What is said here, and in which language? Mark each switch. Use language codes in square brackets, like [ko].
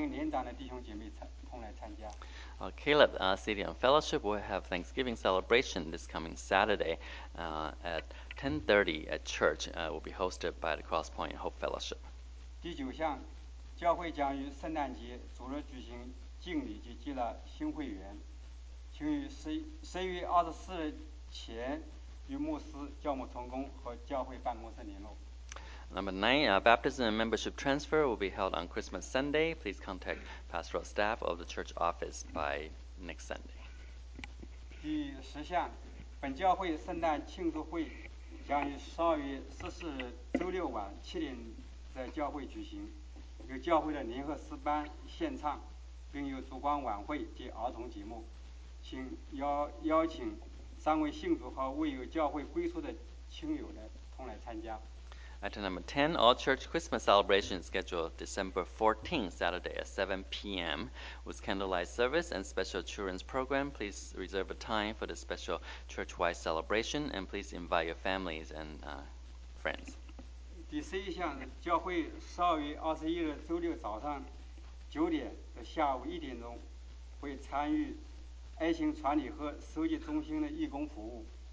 [zh] 加洛团契将于11月23日，本周六上午10点半在教会交谊厅与英文堂盼望团契一同庆祝感恩节，欢迎年长的弟兄姐妹同来参加。Caleb [en] City and Fellowship will have Thanksgiving celebration this coming Saturday at 10:30 at church. Will be hosted by the Cross Point Hope Fellowship. [zh] 第九项，教会将于圣诞节主日举行。 [en] Number nine, baptism and membership transfer will be held on Christmas Sunday. Please contact pastoral staff of the church office by next Sunday. [zh] 第十项，本教会圣诞庆祝会将于12月14日周六晚7点在教会举行，由教会的联合诗班献唱。 并有烛光晚会及儿童节目请 邀请三位信徒和未有教会归属的亲友来同来参加。 [en] At number 10, All Church Christmas Celebration scheduled December 14th, Saturday at 7 p.m. with candlelight service and special children's program. Please reserve a time for the special church-wide celebration and please invite your families and friends. [zh] 第十一项，教会12月21日周六早上9点到下午1点会参与爱心传递和收集中心的义工服务。